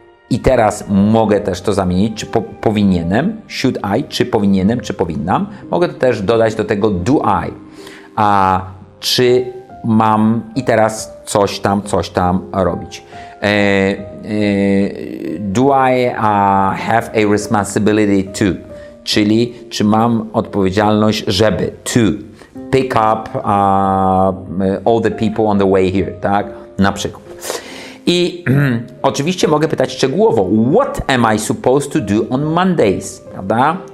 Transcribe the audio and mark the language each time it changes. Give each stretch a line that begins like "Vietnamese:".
Polish: I teraz mogę też to zamienić. Czy powinienem?
English: Should I?
Polish: Czy powinienem? Czy powinnam? Mogę to też dodać do tego
English: do I?
Polish: Czy mam i teraz coś tam robić?
English: Do I have a responsibility to?
Polish: Czyli czy mam odpowiedzialność, żeby
English: to pick up all the people on the way here,
Polish: tak? Na przykład. I oczywiście mogę pytać szczegółowo,
English: what am I supposed to do on Mondays,
Polish: prawda?